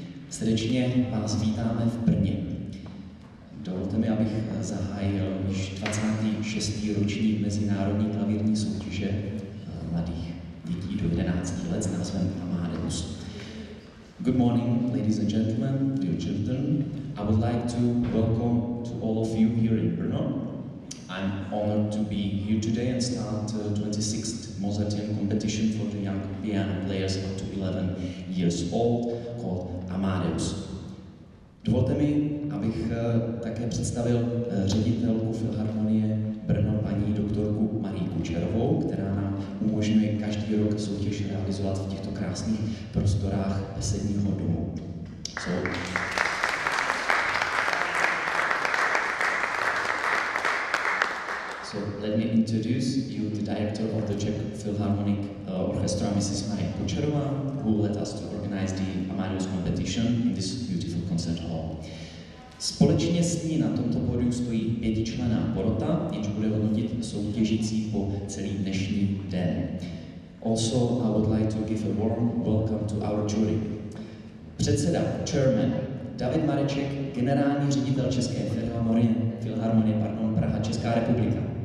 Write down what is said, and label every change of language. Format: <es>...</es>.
<cs>Srdečně vás vítáme v Brně. Dovolte mi, abych zahájil již 26. ročník mezinárodní klavírní soutěže mladých dětí do 11 let s názvem Amadeus.</cs> <en>Good morning, ladies and gentlemen, dear children. I would like to welcome to all of you here in Brno. I'm honored to be here today and start the 26th Mozarteum competition for the young piano players up to 11 years old called Amadeus.</en> <cs>Dovolte mi, abych také představil ředitelku Filharmonie Brno, paní doktorku Marii Kučerovou, která nám umožňuje každý rok soutěž realizovat v těchto krásných prostorách besedního domu.</cs> <en>So. Let me introduce you the director of the Czech Philharmonic Orchestra, Mrs. Marie Kučerová, who led us to organize the Amadeus competition in this beautiful concert hall.</en> <cs>Společně s ní na tomto pódiu stojí pětičlenná porota, jež bude hodnotit soutěžící po celý dnešní den.</cs> <en>Also, I would like to give a warm welcome to our jury.</en> <cs>Předseda, chairman, David Mareček, generální ředitel České Philharmonie, Praha, Česká republika.</cs>